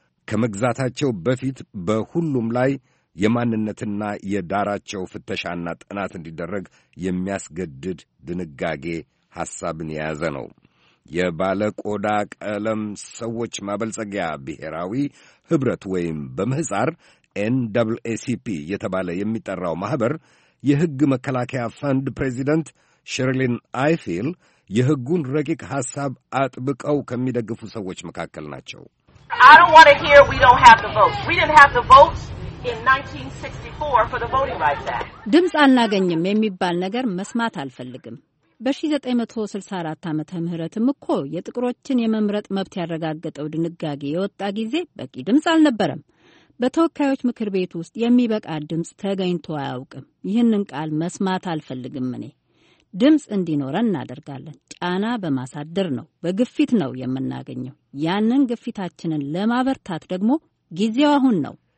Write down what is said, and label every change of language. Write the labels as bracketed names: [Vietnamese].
[Amharic] ከመግዛታቸው በፊት በሁሉም ላይ የማንነትና የዳራቸው ፍተሻና ጥናት እንዲደረግ የሚያስገድድ ድንጋጌ ሐሳብን የያዘ ነው። የባለ ቆዳ ቀለም ሰዎች ማበልጸጊያ ብሔራዊ ኅብረት ወይም በምሕፃር NAACP የተባለ የሚጠራው ማኅበር የሕግ መከላከያ ፈንድ ፕሬዚደንት ሸርሊን አይፊል የሕጉን ረቂቅ ሐሳብ አጥብቀው ከሚደግፉ ሰዎች መካከል ናቸው። [English] I don't want to hear we don't have the votes. We didn't have the votes in 1964 for the Voting Rights Act. [Amharic] ድምጽ አልናገኝም የሚባል ነገር መስማት አልፈልግም። በ1964 ዓመተ ምህረትም እኮ የጥቁሮችን የመምረጥ መብት ያረጋገጠው ድንጋጌ የወጣ ጊዜ በቂ ድምጽ አልነበረም። በተወካዮች ምክር ቤት ውስጥ የሚበቃ ድምጽ ተገኝቶ አያውቅም። ይህንን ቃል መስማት አልፈልግም እኔ። ድምጽ እንዲኖረን እናደርጋለን። ጫና በማሳደር ነው፣ በግፊት ነው የምናገኘው። ያንን ግፊታችንን ለማበርታት ደግሞ ጊዜው አሁን ነው።